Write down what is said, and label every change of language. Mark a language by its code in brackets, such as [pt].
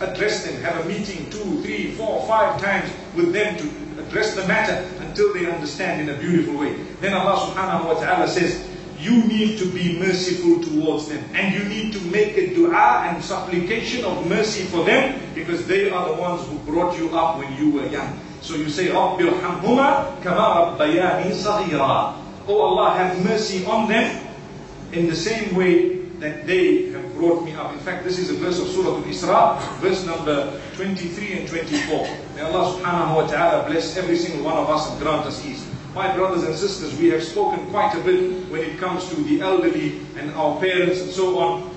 [en] Address them, have a meeting 2, 3, 4, 5 times with them to address the matter until they understand in a beautiful way. Then Allah subhanahu wa ta'ala says, you need to be merciful towards them, and you need to make a dua and supplication of mercy for them, because they are the ones who brought you up when you were young. So you say, [ar] رَبِّ الْحَمْهُمَا كَمَا رَبَّيَانِ صَغِيرًا. [en] Oh Allah, have mercy on them in the same way that they have brought me up. In fact, this is a verse of Surah Al-Isra, verse number 23 and 24. May Allah subhanahu wa ta'ala bless every single one of us and grant us ease. My brothers and sisters, we have spoken quite a bit when it comes to the elderly and our parents and so on.